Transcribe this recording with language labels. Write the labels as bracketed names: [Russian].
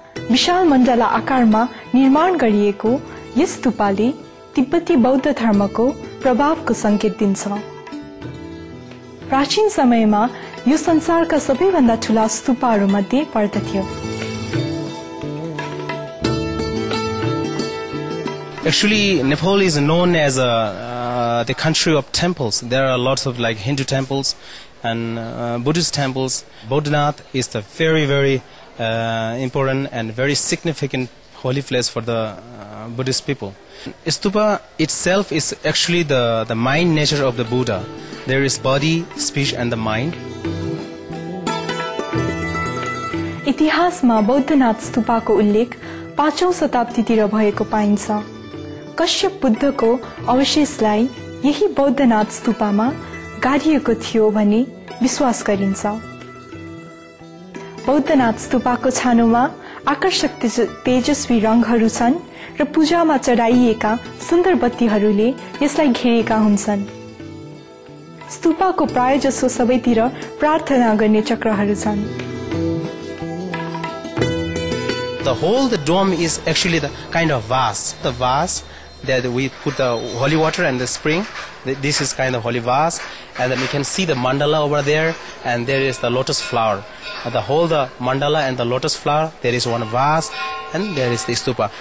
[Nepali] विशाल मण्डला आकारमा निर्माण गरिएको यस स्तूपाले तिब्बती बौद्ध धर्मको प्रभावको संकेत दिन्छ। प्राचीन समयमा यो संसारका सबैभन्दा ठूला स्तूपाहरू मध्ये पर्दथ्यो। [English] The country of temples. There are lots of like Hindu temples and Buddhist temples. Bodhinath is the very, very important and very significant holy place for the Buddhist people. Stupa itself is actually the mind nature of the Buddha. There is body, speech, and the mind. [Nepali] इतिहास मा बौद्धनाथ स्तूपा को उल्लेख 5 औं शताब्दी तिर भएको पाइन्छ। कश्यप बुद्धको अवशेषलाई यही बौद्धनाथ स्तूपामा गाडिएको थियो भने विश्वास गरिन्छ। बौद्धनाथ स्तूपाको छानोमा आकर्षक तेजस्वी रंगहरू छन् र पूजामा चढाइएका सुन्दर बत्तीहरूले यसलाई घेरेका हुन्छन्। स्तूपाको प्राय जसो सबैतिर प्रार्थना गर्ने चक्रहरू छन्। [English] That we put the holy water and the spring. This is kind of holy vase, and then we can see the mandala over there, and there is the lotus flower. The whole the mandala and the lotus flower, there is one vase, and there is the stupa.